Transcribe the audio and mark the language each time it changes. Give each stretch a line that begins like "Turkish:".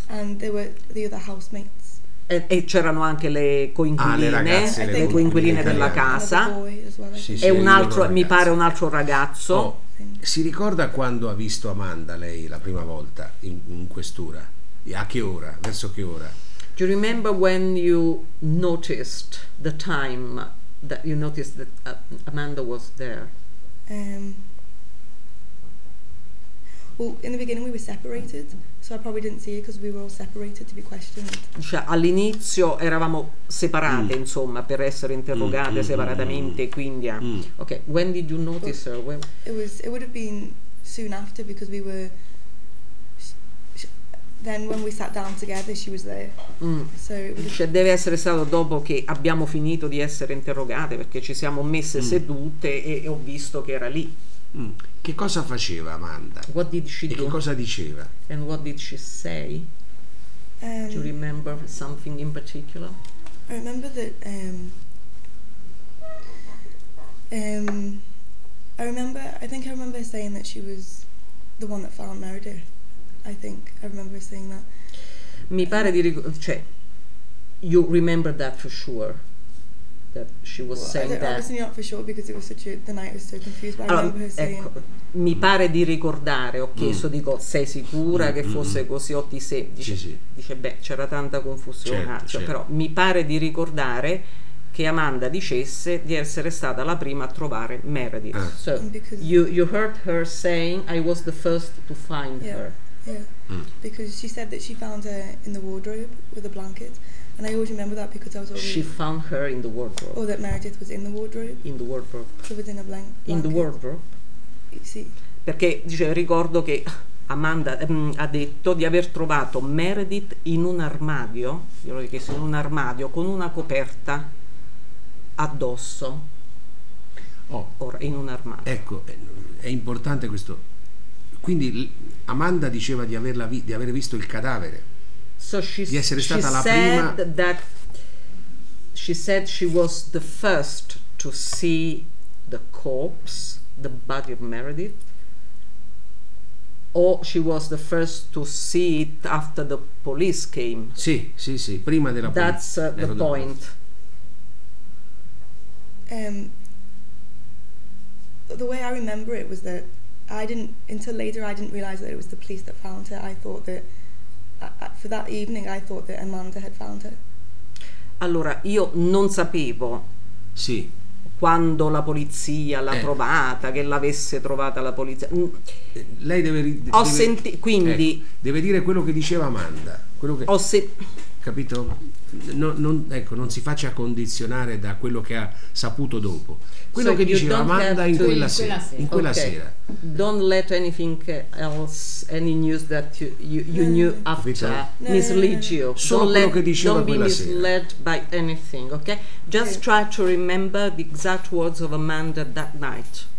English: And there were the other housemates.
Italian: E c'erano anche le coinquiline, le coinquiline della casa. E un altro mi pare un altro ragazzo. Oh, si ricorda quando ha visto Amanda lei la prima volta in questura? E a che ora? Verso che ora?
English: Do you remember when you noticed the time? That you noticed that Amanda was there. Well, in the beginning we were separated, so I probably didn't see her because we were all separated to be questioned.
Italian: Cioè, all'inizio eravamo separate, insomma, per essere interrogate separatamente. Quindi,
English: okay. When did you notice her? When It would have been soon after because we were. Then when we sat down together, she was there.
Italian: Cioè deve essere stato dopo che abbiamo finito di essere interrogate, perché ci siamo messe sedute e ho visto che era lì. Che cosa faceva Amanda?
English: What did she do?
Italian: Che cosa diceva?
English: And what did she say? Do you remember something in particular? I remember that. I think I remember saying that she was the one that found Meredith. I think I remember saying that.
Italian: Mi pare di cioè
English: you remember that for sure that she was well, saying that. Obviously not for sure because it was such the night was so confused. But
Italian: allora,
English: I remember her saying.
Italian: Ecco, mi pare di ricordare. Ho chiesto dico sei sicura che fosse così o ti sei dice, sì, sì. dice beh c'era tanta confusione. Certo, cioè, certo. Però mi pare di ricordare che Amanda dicesse di essere stata la prima a trovare Meredith. Ah.
English: So you heard her saying I was the first to find yeah. her. Yeah, because she said that she found her in the wardrobe with a blanket, and I always remember that because I was always she found her in the wardrobe. Or that Meredith was in the wardrobe. In the wardrobe. Covered in a blanket. In the wardrobe.
Italian: Sì. Perché dice ricordo che Amanda ha detto di aver trovato Meredith in un armadio, io l'ho chiesto, in un armadio con una coperta addosso. Oh, ora in un armadio. Ecco, è importante questo. Quindi Amanda diceva di averla di aver visto il cadavere.
English: So
Italian: di essere stata la prima.
English: She said that she said she was the first to see the corpse, the body of Meredith. Or she was the first to see it after the police came.
Italian: Sì, sì, sì, prima della polizia.
English: That's the point. The way I remember it was that I didn't, until later I didn't realize that it was the police that found her. I thought that, for that evening, I thought that Amanda had found her.
Italian: Allora, io non sapevo. Sì. Quando la polizia l'ha trovata, che l'avesse trovata la polizia. Lei deve. Ho sentito. Quindi. Ecco, deve dire quello che diceva Amanda. Quello che. Ho capito? Non, ecco, non si faccia condizionare da quello che ha saputo dopo. Quello
English: so
Italian: che diceva Amanda in quella, in quella sera. In quella sera.
English: Don't let anything else, any news that you knew after mislead you.
Italian: Solo quello che diceva
English: don't
Italian: quella sera.
English: Don't be misled by anything, okay? Just try to remember the exact words of Amanda that night.